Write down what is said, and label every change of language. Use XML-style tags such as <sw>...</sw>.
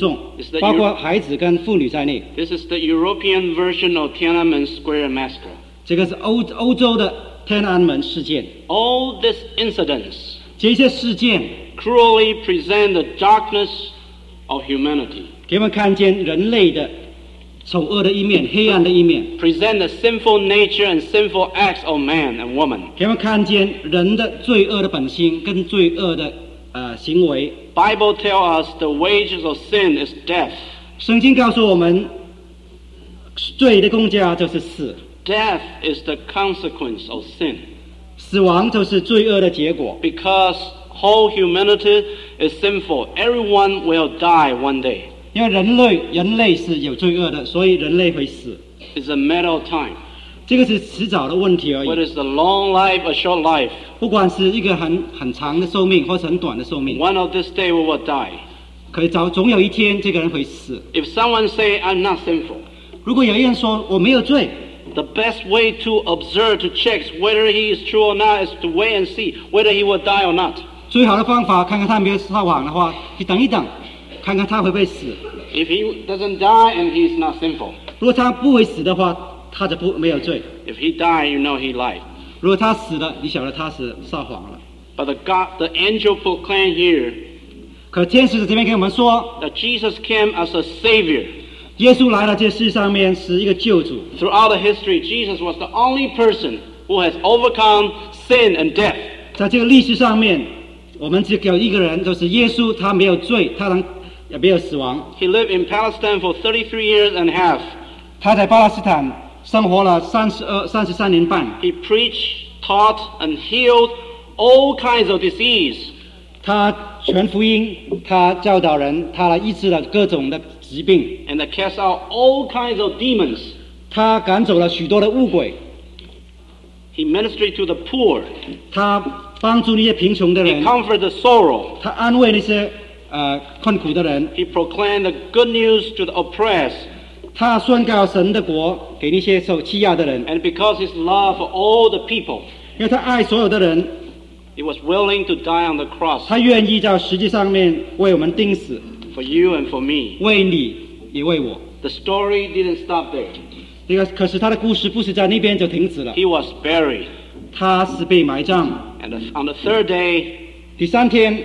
<zh>一个礼拜以前，他动用军队、用坦克、用直升机、用机关枪，打死了许多的示威的群众，包括孩子跟妇女在内。</zh> <en>This is the European version of Tiananmen Square massacre.</en> <zh>这个是欧洲的天安门事件。</zh> <en>All these incidents,</en> <zh>这些事件,</zh> <en>cruelly present the darkness of humanity.</en> <zh>给我们看见人类的 丑恶的一面，黑暗的一面。</zh> <en>Present the sinful nature and sinful acts of man and woman.</en> <zh>给我们看见人的罪恶的本性跟罪恶的行为。</zh> <en>Bible tells us the wages of sin is death.</en> <zh>圣经告诉我们，罪的工价就是死。</zh> <en>Death is the consequence of sin.</en> <zh>死亡就是罪恶的结果。</zh> <en>Because whole humanity is sinful, everyone will die one day.</en> <zh>因为人类是有罪恶的，所以人类会死。</zh> <en>It's a matter of time.</en> <zh>这个是迟早的问题而已。</zh> <en>Whether it's a long life or short life,</en> <zh>不管是一个很长的寿命或是很短的寿命。</zh> <en>One of this day we will die.</en> <zh>可以早总有一天这个人会死。</zh> <en>If someone say I'm not sinful,</en> <zh>如果有一人说我没有罪。</zh> <en>The best way to observe to check whether he is true or not is to wait and see whether he will die or not.</en> <zh>最好的方法看看他没有撒谎的话，去等一等，看看他会不会死。</zh> <en>If he doesn't die and he is not sinful,</en> <zh>如果他不会死的话。他就不没有罪。</zh> <en>If he died, you know he lied.</en> <zh>如果他死了，你晓得他是撒谎了。</zh> <en>But the angel proclaimed here.</en> <zh>可天使在这边跟我们说</zh> <en>，That Jesus came as a savior.</en> <zh>耶稣来了这世上面是一个救主。</zh> <en>Throughout the history, Jesus was the only person who has overcome sin and death.</en> <zh>在这个历史上面，我们只有一个人，就是耶稣，他没有罪，他能也没有死亡。</zh> <en>He lived in Palestine for 33 years and a half.</en> <zh>他在巴勒斯坦生活了33年半。</zh> <en>He preached, taught, and healed all kinds of disease.</en> <zh>他传福音，他教导人，他来医治了各种的疾病。</zh> <en>And cast out all kinds of demons.</en> <zh>他赶走了许多的污鬼。</zh> <en>He ministered to the poor.</en> <zh>他帮助那些贫穷的人。</zh> <en>He comforted the sorrow.</en> <zh>他安慰那些困苦的人。</zh> <en>He proclaimed the good news to the oppressed.</en> <zh>他宣告神的国给那些受欺压的人。</zh> <en>And because his love for all the people,</en> <zh>因为他爱所有的人。</zh> <en>He was willing to die on the cross.</en> <zh>他愿意在十字上面为我们钉死。</zh> <en>For you and for me.</en> <zh>为你，也为我。</zh> <en>The story didn't stop there.</en> <zh>这个可是他的故事不是在那边就停止了。</zh> <en>He was buried.</en> <zh>他是被埋葬。</zh> <en>And on the third day,</en> <zh>第三天</zh>